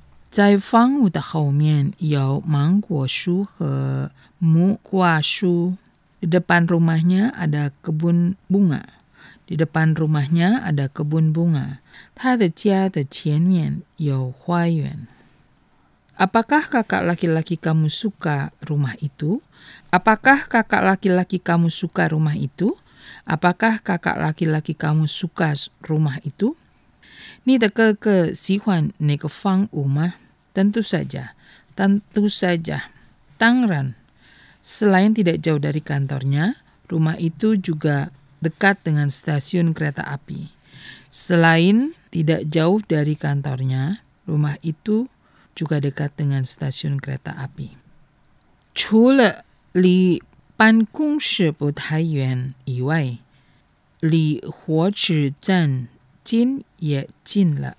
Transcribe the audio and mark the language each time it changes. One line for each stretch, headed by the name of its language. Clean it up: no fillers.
Chinese: 在方屋的后面有芒果树和木瓜树。
Indonesian: Di depan rumahnya ada kebun bunga. Di depan rumahnya ada kebun bunga.
Chinese: 他的家的前面有花园。
Indonesian: Apakah kakak laki-laki kamu suka rumah itu? Apakah kakak laki-laki kamu suka rumah itu? Apakah kakak laki-laki kamu suka rumah itu?
Chinese: 你的哥哥喜欢那个房屋吗?
Indonesian: Tentu saja. Tentu saja.
Chinese: Tang ran.
Indonesian: Selain tidak jauh dari kantornya, rumah itu juga dekat dengan stasiun kereta api. Selain tidak jauh dari kantornya, rumah itu... juga dekat dengan stasiun kereta api.
Chinese: 除了离办公室不太远以外，离火车站近也近